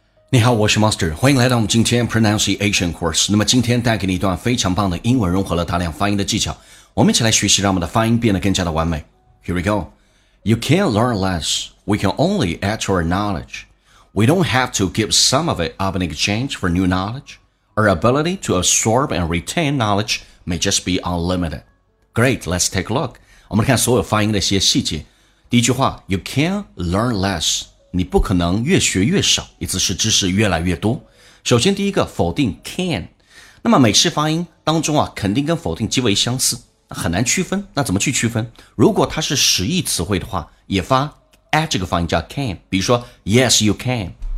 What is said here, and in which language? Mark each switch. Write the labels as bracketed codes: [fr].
[zh] 你好，我是 Master， 欢迎来到我们今天 Pronunciation Course。那么今天带给你一段非常棒的英文融合了大量发音的技巧，我们一起来学习，让我们的发音变得更加的完美。 [en] Here we go. You can't learn less. We can only add to our knowledge. We don't have to give some of it up in exchange for new knowledge. Our ability to absorb and retain knowledge may just be unlimited. Great, let's take a look. [zh] 我们来看所有发音的一些细节。第一句话， [en] You can't learn less. [zh] 你不可能越学越少，意思是知识越来越多。首先第一个否定 can， 那么美式发音当中啊，肯定跟否定极为相似，很难区分。那怎么去区分？如果它是实义词汇的话，也发 at 这个发音叫 can， 比如说 [en] yes you can。